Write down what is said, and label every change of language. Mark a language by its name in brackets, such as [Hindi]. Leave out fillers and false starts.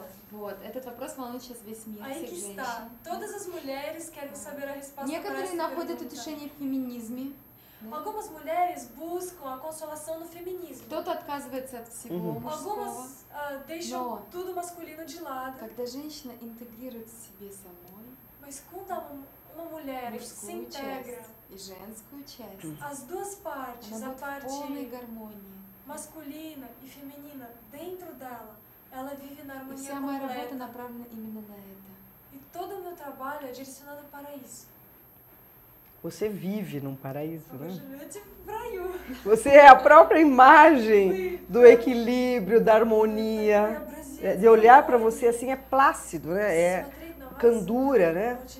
[Russian] Вот, этот вопрос волнует сейчас весь мир, всех женщин. [Portuguese] Todas as mulheres querem saber a resposta. [Russian] Некоторые находят утешение в феминизме. [Portuguese] Algumas mulheres buscam a consolação no feminismo. [Russian] Кто-то отказывается от всего мужского. [Portuguese] Algumas deixam tudo masculino de lado. [Russian] Когда женщина интегрирует в себе самой. [Portuguese] Mas quando uma mulher se integra. [Russian] И женскую часть. [Portuguese] As duas partes, a parte [Russian] полной гармонии. [Portuguese] Masculina e feminina dentro dela. Ela vive na harmonia completa. [Russian] E вся моя работа направлена именно на это. [Portuguese] E todo o meu trabalho é direcionado para isso. Você vive num paraíso, né? Eu Você é a própria imagem do equilíbrio, da harmonia. De olhar para você assim é plácido, né? É candura, né?